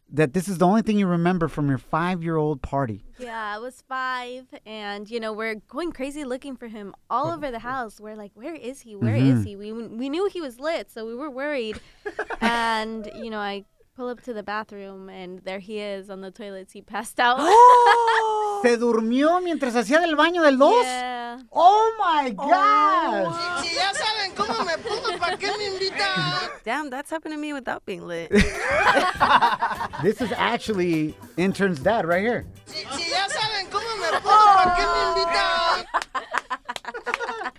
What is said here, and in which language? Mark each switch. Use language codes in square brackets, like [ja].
[en] That this is the only thing you remember from your 5-year-old party. Yeah, I was 5, and, you know, we're going crazy looking for him all over the house. We're like, where is he? Where mm-hmm. is he? We knew he was lit, so we were worried. And, you know, I pull up to the bathroom, and there he is on the toilet seat, passed out. [es] Se durmió mientras hacía del baño de los? [en] Yeah. Oh, my gosh. [es] Ya saben cómo me pongo, ¿para qué me invitan? [en] Damn, that's happened to me without being lit. This is actually intern's dad right here. [es] Ya saben cómo me pongo, ¿para qué me invitan?